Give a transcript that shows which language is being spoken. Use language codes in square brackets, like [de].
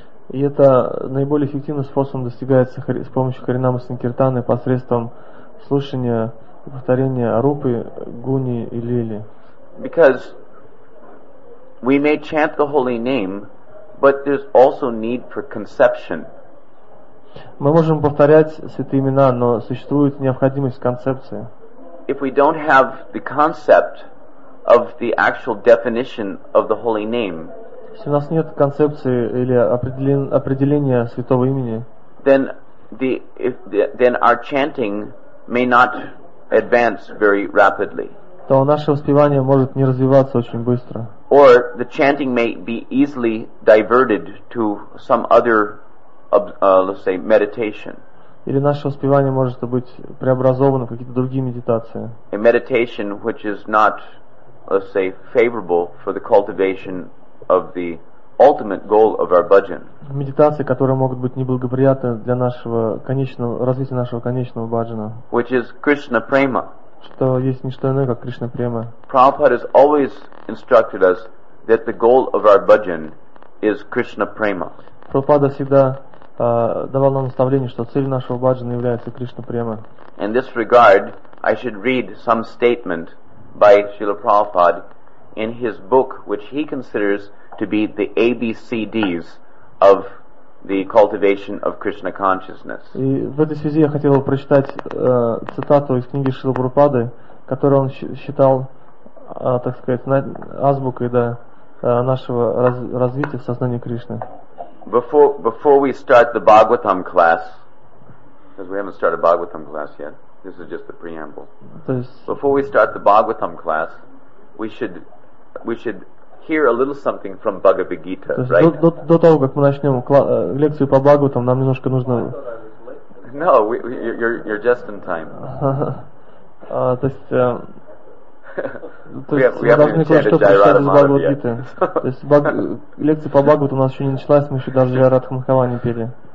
[ru] И это наиболее эффективным способом достигается с помощью харинама санкиртаны посредством слушания и повторения рупы, гуни и лили. [en] Because we may chant the holy name, but there's also need for conception. [ru] Мы можем повторять святые имена, но существует необходимость в концепции. [en] If we don't have the concept of the actual definition of the holy name, [ru] если у нас нет концепции или определения святого имени, [en] then our chanting may not advance very rapidly. [ru] То наше воспевание может не развиваться очень быстро. [en] Or the chanting may be easily diverted to some other let's say meditation. [ru] Или наше воспевание может быть преобразовано в какие-то другие медитации. [en] A meditation which is not, let's say, favorable for the cultivation of the ultimate goal of our bhajan. [ru] Медитации, которые могут быть неблагоприятны для нашего конечного развития нашего конечного бхаджана. [en] Which is Krishna prema. [ru] Что есть не что иное, как Кришна према. [en] Prabhupada has always instructed us that the goal of our bhajan is Krishna prema. [ru] Prabhupada всегда давал нам наставление, что цель нашего бхаджана является Кришна према. [en] In this regard, I should read some statement by Srila Prabhupada in his book, which he considers to be the ABCDs of the cultivation of Krishna consciousness. [ru] И в этой связи я хотел бы прочитать цитату из книги Шрила Прабхупады, которую он считал, так сказать, азбукой нашего развития в сознании Кришны. [en] Before we start the Bhagavatam class, because we haven't started Bhagavatam class yet, this is just the preamble. Before we start the Bhagavatam class, we should hear a little something from Bhagavad Gita, right? [ru] До того, как мы начнем лекцию по Бхагаватам, нам немножко нужно... [en] No, you're just in time. [ru] То есть мы должны кое-что прочитать из Бхагавад Гиты. То есть лекция по Бхагавату у нас еще не началась, мы еще даже Джайарадха Махава не пели.